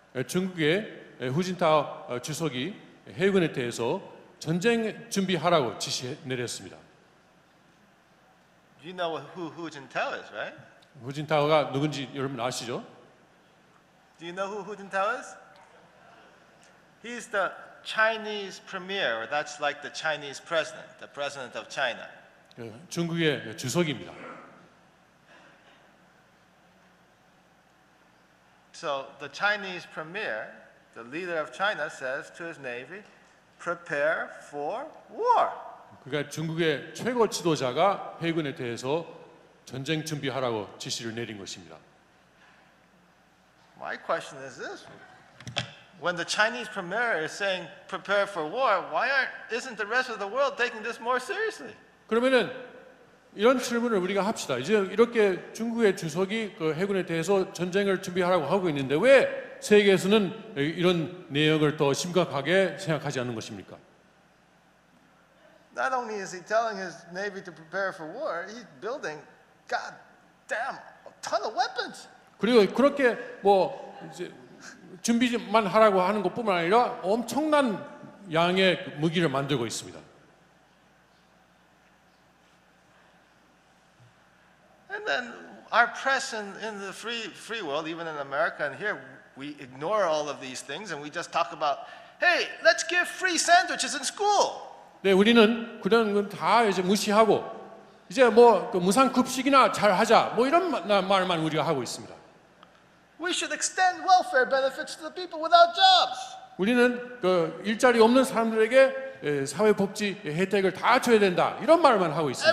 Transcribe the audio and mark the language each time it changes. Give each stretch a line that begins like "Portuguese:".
Korean: 중국의 후진타오 주석이 해군에 대해서 전쟁 준비하라고 지시 내렸습니다.
English: You know who Hu Jintao is, right?
Korean: 후진타오가 누군지 여러분 아시죠?
English: Do you know who Hu Jintao is? He's the Chinese premier, or that's like the Chinese president, the president of China.
Korean: 중국의 주석입니다.
English: So the Chinese premier, the leader of China, says to his navy, prepare for war.
Korean: 그러니까 중국의 최고 지도자가 해군에 대해서 전쟁 준비하라고 지시를 내린 것입니다.
English: My question is this. When the Chinese premier is saying prepare for war, why isn't the rest of the world taking this more seriously?
Korean: 그러면은 이런 질문을 우리가 합시다. 이제 이렇게 중국의 주석이 그 해군에 대해서 전쟁을 준비하라고 하고 있는데 왜 세계에서는 이런 내용을 더 심각하게 생각하지 않는 것입니까?
English: Not only is he telling his navy to prepare for war, he's building goddamn a ton of weapons.
Korean: 그리고 그렇게 뭐 이제 준비만 하라고 하는 것뿐만 아니라 엄청난 양의 무기를 만들고 있습니다.
English: And then our press in the free world, even in America and here, we ignore all of these things and we just talk about, hey, let's give free sandwiches in school.
Korean: 네, 우리는 그런 건 다 이제 무시하고 이제 뭐 그 무상 급식이나 잘 하자 뭐 이런 말만 우리가 하고 있습니다.
English: We should extend welfare benefits to the people without jobs.
Korean: 우리는 그 일자리 없는 사람들에게 사회복지 혜택을 다 줘야 된다. 이런 말만 하고 있습니다.